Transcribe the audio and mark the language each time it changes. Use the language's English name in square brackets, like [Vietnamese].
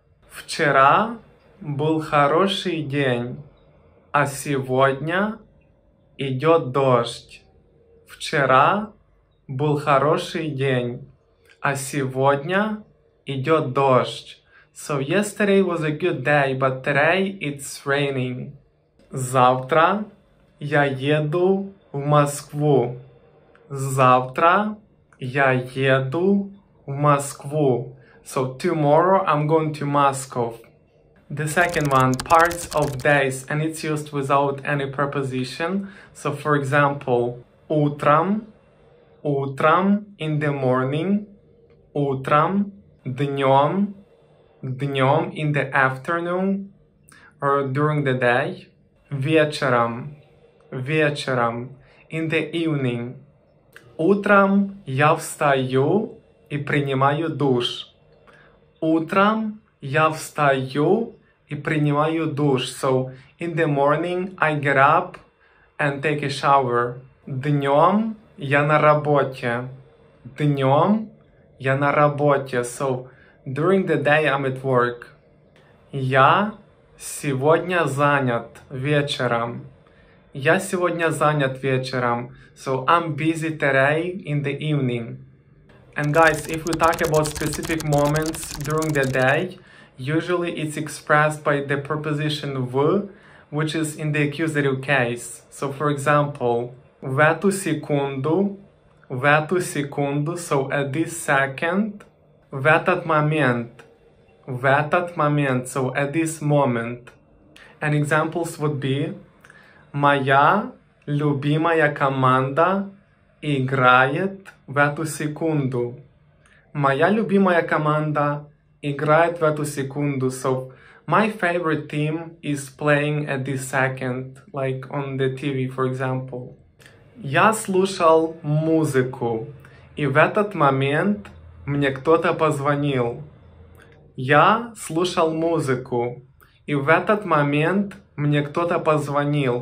[Russian] Вчера был хороший день, а сегодня идет дождь. Вчера был хороший день, а сегодня идет дождь. [English] So yesterday was a good day, but today it's raining. [Russian] Завтра я еду в Москву. Завтра я еду в Москву. [English] So tomorrow I'm going to Moscow. The second one, parts of days, and it's used without any preposition. So for example, утром, in the morning, утром, днём, in the afternoon, or during the day, вечером, in the evening. [Russian] Утром я встаю и принимаю душ. Утром я встаю и принимаю душ. [English] So in the morning I get up and take a shower. [Russian] Днём я на работе. Днём я на работе. [English] So during the day I'm at work. [Russian] Я сегодня занят вечером. Я сегодня занят вечером. [English] So I'm busy today in the evening. And guys, if we talk about specific moments during the day, usually it's expressed by the preposition в, which is in the accusative case. So for example, [Russian] в эту секунду, [English] so at this second, [Russian] в этот момент, [English] so at this moment. And examples would be, [Russian] моя любимая команда играет в эту секунду. Моя любимая команда играет в эту секунду. [English] So my favorite team is playing at this second, like on the TV, for example. [Russian] Я слушал музыку, и в этот момент мне кто-то позвонил. Я слушал музыку, и в этот момент мне кто-то позвонил.